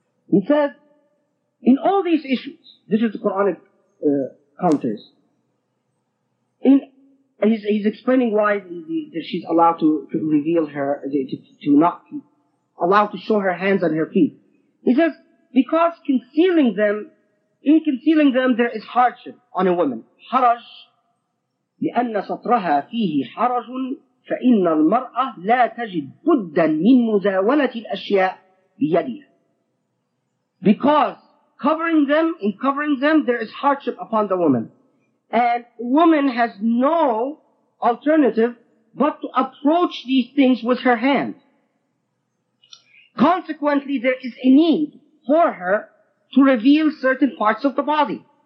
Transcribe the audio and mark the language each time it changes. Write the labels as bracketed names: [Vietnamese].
[English] He says, in all these issues, this is the Quranic counters, he's explaining why that she's allowed to reveal her, to not allow to show her hands and her feet. He says, because concealing them, there is hardship on a woman. [Arabic] حرج لأن سطرها فيه حرج فإن المرأة لا تجد بدا من مزاولة الأشياء بيدها. [English] Because covering them, there is hardship upon the woman. And woman has no alternative but to approach these things with her hand. Consequently, there is a need for her to reveal certain parts of the body.